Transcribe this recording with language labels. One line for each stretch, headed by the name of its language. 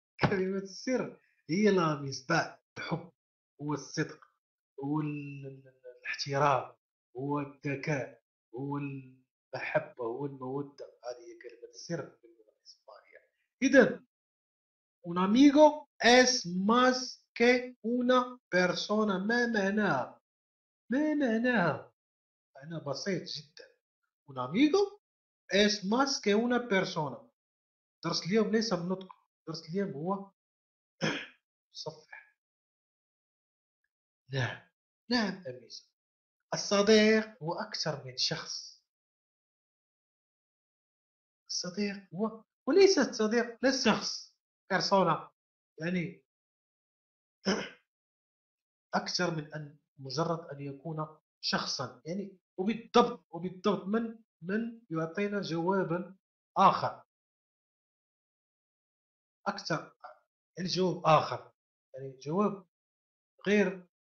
Arabic: كلمة السر هي لاميستاد، الحب والصدق والاحترام والذكاء والمحبة والمودة، هذه هي كلمة السر في اللغة الإسبانية. إذن
Spanish: un amigo es más que una persona،
Arabic: ما معناها؟ ما معناها؟ أنا بسيط جدا.
Spanish: un amigo es más que una persona.
Arabic: درس اليوم ليس بنطق، درس اليوم هو صفح. نعم، نعم أميزة، الصديق هو أكثر من شخص. الصديق هو، وليس الصديق للشخص كرسونا، يعني أكثر من أن مجرد أن يكون شخصا، يعني وبالضبط، وبالضبط من يعطينا جوابا آخر، أكثر الجواب آخر، يعني جواب غير.